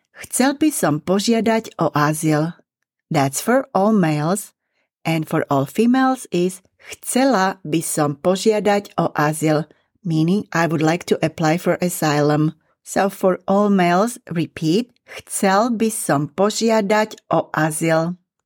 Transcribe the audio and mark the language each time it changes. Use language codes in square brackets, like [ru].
[sk] Chcel by som požiadať o azyl. [en] That's for all males. And for all females is [sk] chcela by som požiadať o azyl, [en] meaning I would like to apply for asylum. So for all males, repeat, [sk] chcel by som požiadať o azyl.